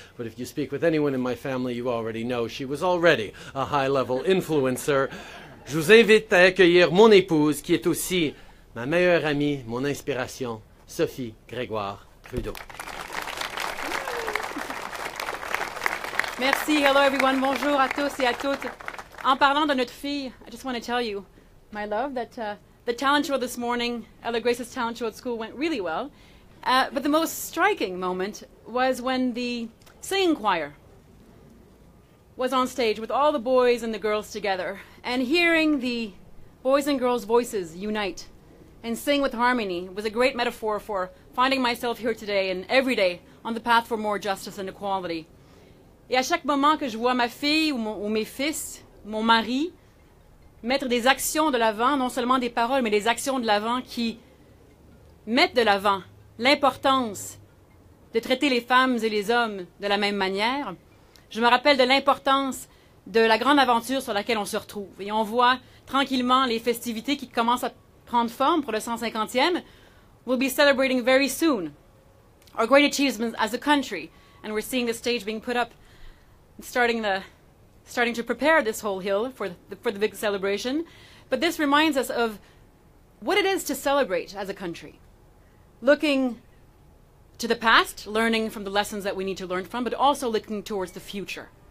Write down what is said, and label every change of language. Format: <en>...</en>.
<en>But if you speak with anyone in my family, you already know she was already a high-level influencer.</en> <fr>Je vous invite à accueillir mon épouse, qui est aussi ma meilleure amie, mon inspiration, Sophie Grégoire Trudeau. Merci.</fr> <en>Hello, everyone.</en> <fr>Bonjour à tous et à toutes. En parlant de notre fille,</fr> <en>I just want to tell you, my love, that the talent show this morning, Ella Grace's talent show at school, went really well. But the most striking moment was when the singing choir was on stage with all the boys and the girls together, and hearing the boys and girls' voices unite and sing with harmony was a great metaphor for finding myself here today and every day on the path for more justice and equality.</en> <fr>Et à chaque moment que je vois ma fille ou mes fils, mon mari, mettre des actions de l'avant, non seulement des paroles, mais des actions de l'avant qui mettent de l'avant l'importance de traiter les femmes et les hommes de la même manière, je me rappelle de l'importance de la grande aventure sur laquelle on se retrouve. Et on voit tranquillement les festivités qui commencent à prendre forme pour le 150e.</fr> <en>We'll be celebrating very soon our great achievements as a country. And we're seeing the stage being put up, starting to prepare this whole hill for the big celebration. But this reminds us of what it is to celebrate as a country. Looking to the past, learning from the lessons that we need to learn from, but also looking towards the future.</en>